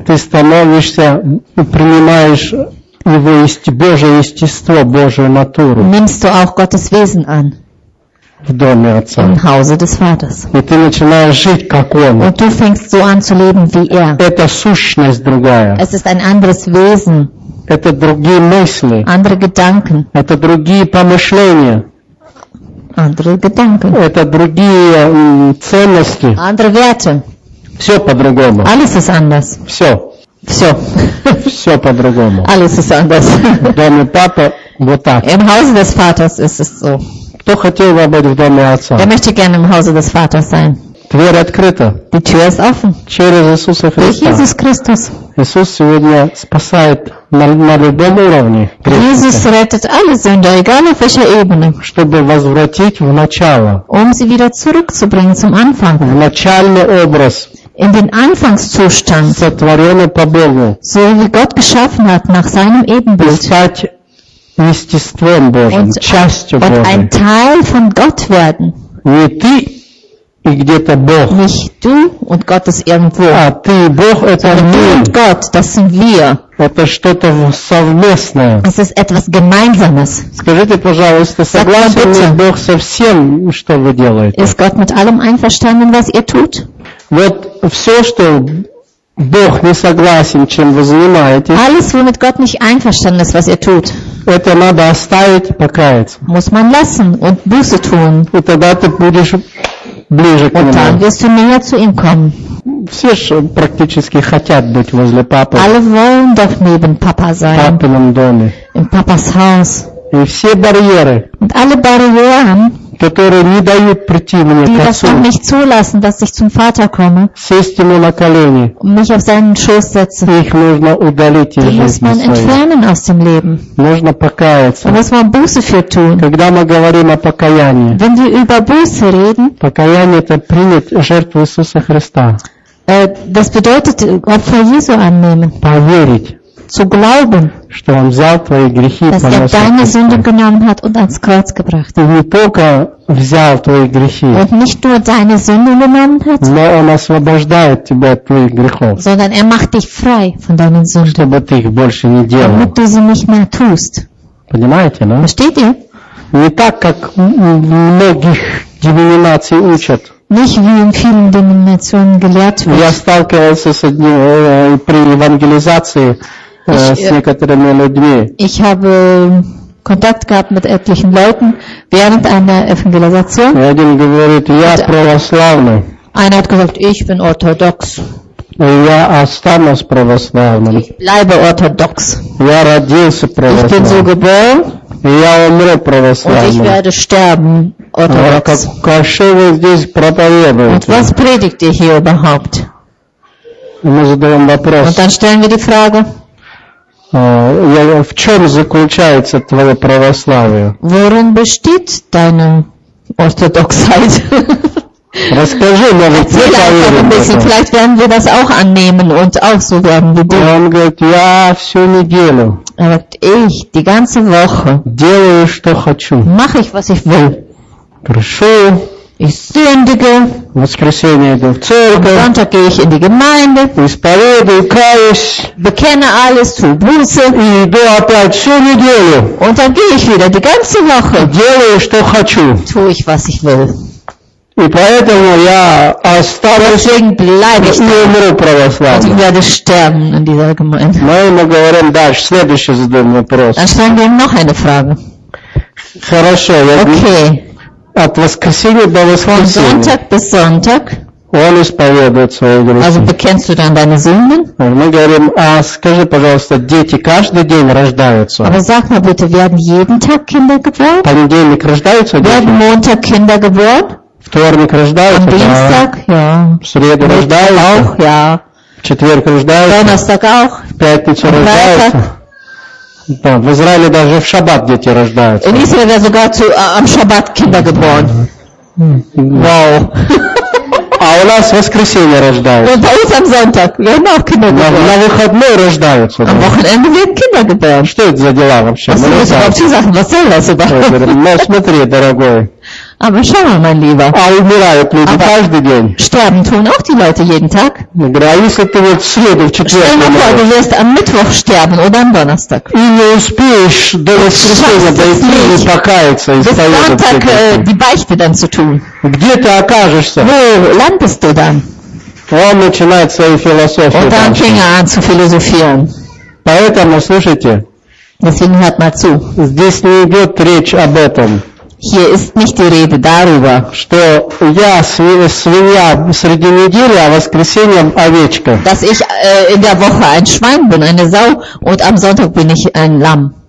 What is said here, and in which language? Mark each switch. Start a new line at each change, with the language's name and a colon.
Russian: Ты становишься, принимаешь его Божье естество, Божью натуру.
German: Nimmst du auch Gottes Wesen an.
Russian: В доме отца.
German: Im Hause des Vaters.
Russian: И ты начинаешь жить как он.
German: Und du fängst so an zu leben wie er.
Russian: Это сущность другая.
German: Es ist ein anderes Wesen.
Russian: Это другие мысли.
German: Andere Gedanken.
Russian: Это другие помышления.
German: Andere Gedanken.
Russian: Это другие ценности.
German: Andere Werte.
Russian: Все по-другому.
German: Alles ist anders.
Russian: Все. Все. Все по-другому.
German: Alles ist anders.
Russian: В доме папы вот так.
German: Im Hause des Vaters ist es so.
Russian: Кто хотел бы быть в доме отца?
German: Wer möchte gerne im Hause des Vaters sein?
Russian: Дверь открыта.
German: Die Tür ist offen.
Russian: Через Иисуса Христа.
German: Durch Jesus Christus.
Russian: Иисус сегодня спасает на любом уровне.
German: Jesus rettet alle Sünder, egal auf welcher Ebene.
Russian: Чтобы возвратить в начало.
German: Um sie wieder zurückzubringen zum Anfang.
Russian: В начальный образ.
German: In den Anfangszustand.
Russian: Сотворенный по Богу.
German: So wie Gott geschaffen hat nach seinem Ebenbild.
Russian: Естеством Божьим, частью Божьей.
German: Ein Teil von Gott werden.
Russian: Не ты и где-то Бог.
German: Nicht du und Gott ist irgendwo.
Russian: А ты и Бог – это мы.
German: Du und Gott, das sind wir.
Russian: Это что-то совместное.
German: Es ist etwas Gemeinsames.
Russian: Скажите, пожалуйста, согласен ли Бог со всем, что вы делаете?
German: Ist Gott mit allem einverstanden, was ihr tut?
Russian: Вот все, что Бог не согласен, чем вы занимаетесь.
German: Alles, womit Gott nicht einverstanden ist, was ihr tut.
Russian: Это надо оставить и покаяться.
German: Muss man lassen und Buße tun.
Russian: И тогда ты будешь ближе к нему.
German: Und wirst du näher zu ihm kommen.
Russian: Все же практически хотят быть возле папы.
German: Alle wollen doch neben Papa sein.
Russian: В папином доме.
German: In Papas Haus.
Russian: И все барьеры.
German: Und alle Barrieren.
Russian: Которые не дают прийти мне к Отцу.
German: Die das dann nicht zulassen, dass ich zum Vater komme.
Russian: Сесть ему на колени.
German: Und mich auf seinen Schoß setzen.
Russian: Их нужно удалить из жизни своей.
German: Die muss man entfernen aus dem Leben.
Russian: Нужно покаяться.
German: Da muss man Buße für tun.
Russian: Когда мы говорим о покаянии.
German: Wenn wir über Buße reden.
Russian: Покаяние – это принять жертву Иисуса Христа.
German: Das bedeutet, Opfer Jesu annehmen.
Russian: Поверить.
German: Zu glauben,
Russian: что он взял твои грехи
German: dass er deine Sünde genommen hat und ans Kreuz gebracht hat.
Russian: Не только взял твои грехи,
German: und nicht nur deine Sünde genommen hat,
Russian: но он освобождает тебя от твоих грехов,
German: sondern er macht dich frei von deinen Sünden,
Russian: чтобы ты их больше не делал.
German: Damit du sie nicht mehr tust.
Russian: Понимаете, ne?
German: Versteht ihr?
Russian: Не так, как многих деноминаций учат.
German: Nicht wie in vielen Denominationen gelehrt wird.
Russian: Я сталкивался с одним при евангелизации.
German: Ich habe Kontakt gehabt mit etlichen Leuten während einer Evangelisation. Einer hat gesagt, ich bin orthodox. Ich bleibe orthodox. Ich bin so geboren. Und ich werde sterben orthodox. Und was predigt ihr hier überhaupt? Und dann stellen wir die Frage.
Russian: В чем заключается твое православие?
German: Worin besteht deine Orthodoxheit?
Russian: Расскажи, может, ты поверишь.
German: Vielleicht werden wir das auch annehmen und auch so werden wir
Russian: dich. Он говорит, я всю неделю.
German: Er sagt, ich die ganze Woche.
Russian: Делаю, что хочу.
German: Mache ich, was ich will.
Russian: Хорошо.
German: Ich sündige.
Russian: Воскресенье иду в церковь.
German: Am Sonntag gehe ich in die Gemeinde.
Russian: Исповедую, каюсь.
German: Bekenne alles, tue Buße.
Russian: И иду опять всю неделю.
German: Und dann gehe ich wieder die ganze Woche.
Russian: Делаю, что хочу.
German: Tue ich, was ich will.
Russian: И поэтому я останусь и умру православным.
German: Und ich werde sterben in dieser Gemeinde.
Russian: Мы ему говорим дальше, следующий задаем вопрос.
German: Dann stellen wir ihm noch eine Frage.
Russian: Хорошо, я говорю. Okay. От воскресенья до воскресенья. Он исповедует свои грехи.
German: Also bekennst du dann deine Sünden?
Russian: Мы говорим, а скажи, пожалуйста, дети каждый день рождаются?
German: Aber sag mal bitte, werden jeden Tag Kinder geboren?
Russian: Понедельник рождаются дети?
German: Werden Montag Kinder geboren?
Russian: Вторник рождаются?
German: Am Dienstag, ja.
Russian: В среду рождаются?
German: Auch, ja.
Russian: В четверг рождаются?
German: Donnerstag auch.
Russian: В пятницу рождаются? Да, в Израиле даже в шаббат дети рождаются.
German: In Israel
English: there's a to
German: am Shabbat Kinder geboren. Wow.
Russian: А у нас в воскресенье рождаются.
German: Und bei uns am Sonntag werden auch Kinder geboren.
Russian: На выходные рождаются.
German: Am Wochenende werden Kinder geboren.
Russian: Что это за дела вообще?
German: Was ist
Russian: вообще за дела?
German: Was ist
Russian: это? Ну, смотри, дорогой.
German: Aber schau mal, mein Lieber.
Russian: А умирают люди каждый день.
German: Sterben tun auch die Leute jeden Tag.
Russian: Я говорю, а если ты вот в среду, в четверг умираешь?
German: Stell mal vor, du wirst am Mittwoch sterben oder am Donnerstag.
Russian: И не успеешь до воскресенья дойти и покаяться, и исповедовать.
German: Bis Sonntag die Beichte dann zu tun.
Russian: Где ты окажешься?
German: Wo landest du dann?
Russian: Он начинает свою философию.
German: Und dann fing er an zu philosophieren.
Russian: Поэтому, слушайте.
German: Deswegen hört mal zu.
Russian: Здесь не идет речь об этом.
German: Hier ist nicht die Rede darüber,
Russian: что я свинья среди недели, а воскресеньем овечка.
German: Dass ich in der Woche ein Schwein bin, eine Sau, und am Sonntag bin ich ein Lamm.